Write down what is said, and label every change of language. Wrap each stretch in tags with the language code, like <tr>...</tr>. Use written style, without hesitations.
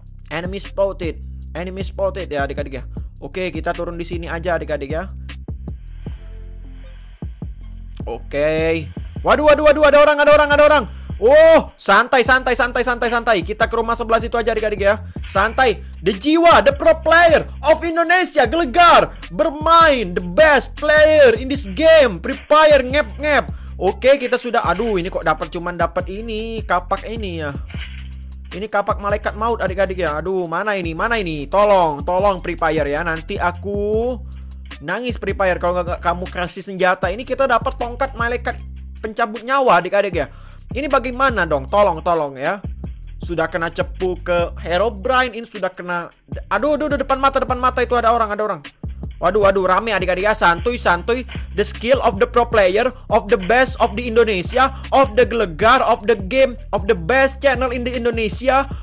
<en>Enemy spotted</en> <id>ya, adik-adik, ya. Oke, kita turun di sini aja, adik-adik, ya. Oke. Waduh, ada orang. Oh, santai. Kita ke rumah sebelah situ aja, adik-adik, ya. Santai.</id> <en>The jiwa, the pro player of Indonesia,</en> <id>gelegar bermain</id> <en>the best player in this game.</en> <id>Prepare ngep-ngep. Oke, kita sudah. Aduh, ini kok cuman dapat ini, kapak ini, ya. Ini kapak malaikat maut, adik-adik, ya. Aduh, mana ini? Tolong prepare, ya. Nanti aku nangis prepare kalau enggak kamu kasih senjata. Ini kita dapat tongkat malaikat pencabut nyawa, adik-adik, ya. Ini bagaimana dong? Tolong, ya. Sudah kena cepu ke Herobrine, ini sudah kena. Aduh, depan mata itu ada orang. Waduh, rame, adik-adik, ya. Santuy.</id> <en>The skill of the pro player, of the best of the Indonesia, of the gelegar, of the game, of the best channel in the Indonesia.</en>